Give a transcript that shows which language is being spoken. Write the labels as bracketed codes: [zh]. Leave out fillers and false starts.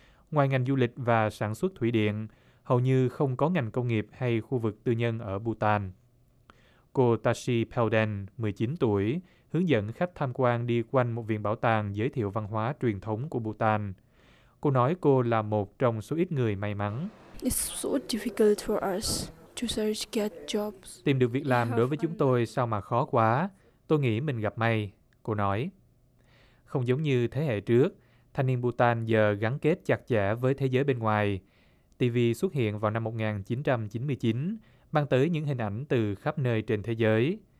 [vi] Ngoài ngành du lịch và sản xuất thủy điện, hầu như không có ngành công nghiệp hay khu vực tư nhân ở Bhutan. Cô Tashi Pelden, 19 tuổi, hướng dẫn khách tham quan đi quanh một viện bảo tàng giới thiệu văn hóa truyền thống của Bhutan. Cô nói cô là một trong số ít người may mắn. [en] It's so difficult for us to search get jobs. [vi] Tìm được việc làm đối với chúng tôi sao mà khó quá. Tôi nghĩ mình gặp may, cô nói. Không giống như thế hệ trước, thanh niên Bhutan giờ gắn kết chặt chẽ với thế giới bên ngoài. TV xuất hiện vào năm 1999, mang tới những hình ảnh từ khắp nơi trên thế giới.